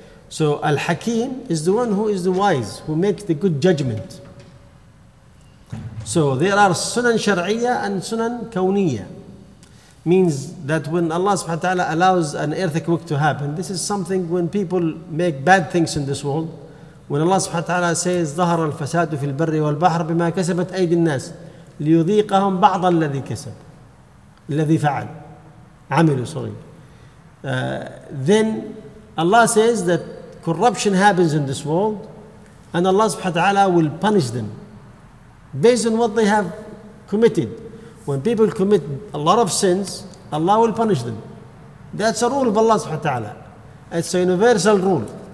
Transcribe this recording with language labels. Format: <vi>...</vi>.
<en>So al-hakim is the one who is the wise, who makes the good judgment. So there are sunan shar'iyya and sunan kawniyya. Means that when Allah subhanahu wa ta'ala allows an earthquake to happen, this is something when people make bad things in this world. When Allah subhanahu wa ta'ala says,</en> <ar>ظهر الفساد في البر والبحر بما كسبت أيدي الناس ليذيقهم بعض الذي كسب الذي فعل عمل</ar> <en>sorry. Then Allah says that corruption happens in this world, and Allah subhanahu wa ta'ala will punish them based on what they have committed. When people commit a lot of sins, Allah will punish them. That's a rule of Allah subhanahu wa ta'ala. It's a universal rule.</en>